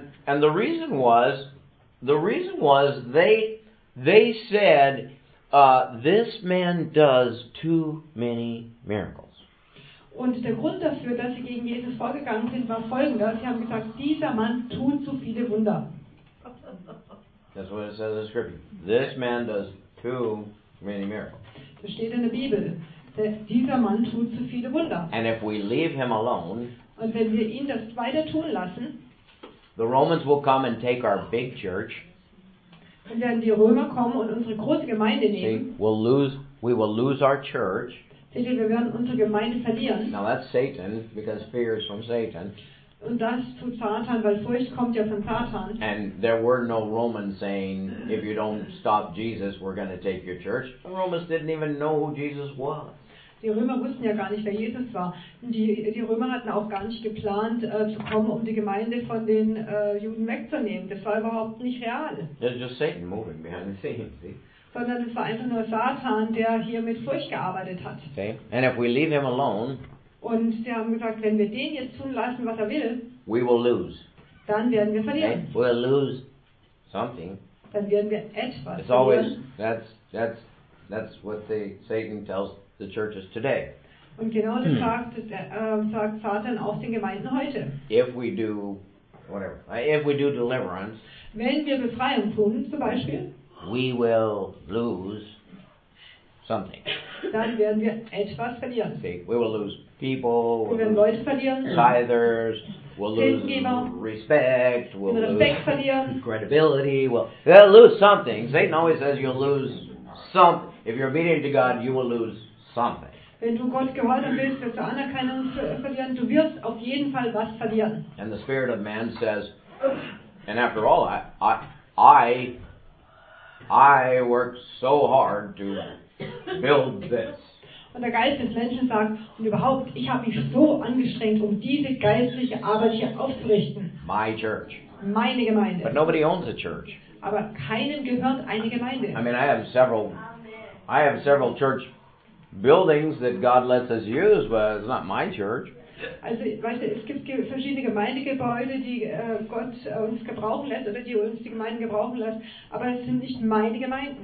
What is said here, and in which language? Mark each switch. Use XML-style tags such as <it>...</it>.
<en>And the reason was they said this man does too many miracles.</en> <de>Und der Grund dafür, dass sie gegen Jesus vorgegangen sind, war folgender. Sie haben gesagt, dieser Mann tut zu viele Wunder.</de> <en>That's what it says in Scripture. This man does too many miracles.</en> <de>Das steht in der Bibel. Dieser Mann tut zu viele Wunder.</de> <en>And if we leave him alone,</en> <de>und wenn wir ihn das weiter tun lassen,</de> <en>the Romans will come and take our big church.</en> <de>Dann werden die Römer kommen und unsere große Gemeinde nehmen.</de> <en>We will lose our church.</en> <de>Seht ihr, wir werden unsere Gemeinde verlieren.</de> <en>Now that's Satan, because fear is from Satan.</en> <de>Und das tut Satan, weil Furcht kommt ja von Satan.</de> <en>And there were no Romans saying, if you don't stop Jesus, we're going to take your church. The Romans didn't even know who Jesus was.</en> <de>Die Römer wussten ja gar nicht, wer Jesus war. Die Römer hatten auch gar nicht geplant, zu kommen, um die Gemeinde von den Juden wegzunehmen. Das war überhaupt nicht real.</de> <en>It's just Satan moving behind the scenes, see?</en> <de>Sondern es war einfach nur Satan, der hier mit Furcht gearbeitet hat.</de> <en>Okay. And if we leave him alone,</en> <de>und sie haben gesagt, wenn wir den jetzt tun lassen, was er will,</de> <en>we will lose.</en> <de>Dann werden wir verlieren.</de> <en>Okay. We'll lose something.</en> <de>Dann werden wir etwas</de> <en>it's</en> <de>verlieren.</de> <en>Always, that's what Satan tells the churches today.</en> <de>Und genau das sagt Satan auch den Gemeinden heute.</de> <en>If we do whatever, if we do deliverance,</en> <de>wenn wir Befreiung tun, zum Beispiel,</de> <en>we will lose something.</en> <de>Dann werden wir etwas verlieren.</de> <en>See, we will lose people.</en> <de>Wir werden Leute verlieren.</de> <en>Tithers. We'll lose respect. We'll</en> <de>Respekt verlieren.</de> <en>Credibility. We'll lose something. Satan always says you'll lose something. If you're obedient to God, you will lose something.</en> <de>Wenn du Gott gehorsam bist, wirst du Anerkennung verlieren. Du wirst auf jeden Fall was verlieren.</de> <en>And the spirit of man says, and after all, I work so hard to build this.</en> <de>Und der Geist des Menschen sagt, und überhaupt, ich habe mich so angestrengt, um diese geistliche Arbeit hier aufzurichten.</de> <en>My church.</en> <de>Meine Gemeinde.</de> <en>But nobody owns a church.</en> <de>Aber keinem gehört eine Gemeinde.</de> <en>I mean, I have several church buildings that God lets us use, but it's not my church.</en> <de>Also, weißt du, es gibt verschiedene Gemeindegebäude, die Gott uns gebrauchen lässt oder die uns die Gemeinden gebrauchen lässt, aber es sind nicht meine Gemeinden.</de>